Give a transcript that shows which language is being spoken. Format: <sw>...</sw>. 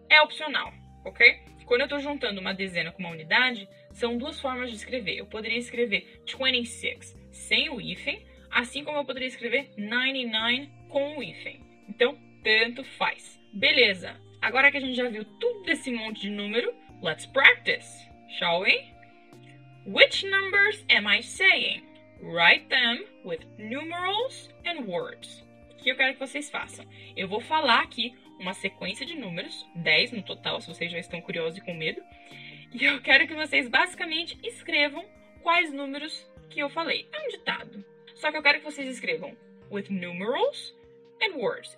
<pt>É opcional, ok? Quando eu tô juntando uma dezena com uma unidade, são duas formas de escrever. Eu poderia escrever 26 sem o hífen, assim como eu poderia escrever 99 com o hífen. Então, tanto faz. Beleza, agora que a gente já viu tudo desse monte de número,</pt> <en>let's practice, shall we? Which numbers am I saying? Write them with numerals and words.</en> <pt>O que eu quero que vocês façam? Eu vou falar aqui uma sequência de números, 10 no total, se vocês já estão curiosos e com medo. E eu quero que vocês basicamente escrevam quais números que eu falei. É um ditado. Só que eu quero que vocês escrevam</pt> <en>with numerals and words.</en>